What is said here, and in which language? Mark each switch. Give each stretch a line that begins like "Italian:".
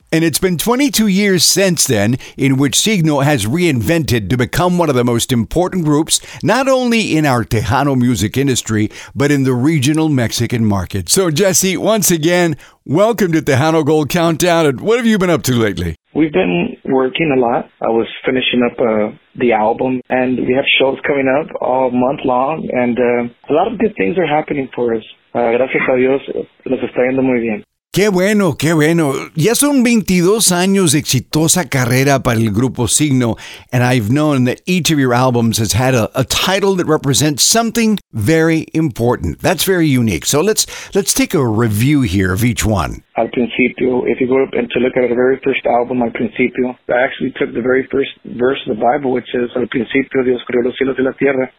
English: And it's been 22 years since then in which Signo has reinvented to become one of the most important groups, not only in our Tejano music industry, but in the regional Mexican market. So, Jesse, once again, welcome to Tejano Gold Countdown. And what have you been up to lately? We've been working a lot. I was finishing up the album, and we have shows coming up all month long, and a lot of good things are happening for us.
Spanish: Gracias a Dios, nos está yendo muy bien. Qué bueno, qué bueno. Ya son 22 años de exitosa carrera para el Grupo Signo,
English: and I've known that each of your albums has had a title that represents something very important. That's very unique. So let's take a review here of each one. Al Principio, if you go up and to look at the very first album, Al Principio, I actually took the very first verse of the Bible, which is Al Principio
Spanish: Dios creó los cielos y la tierra.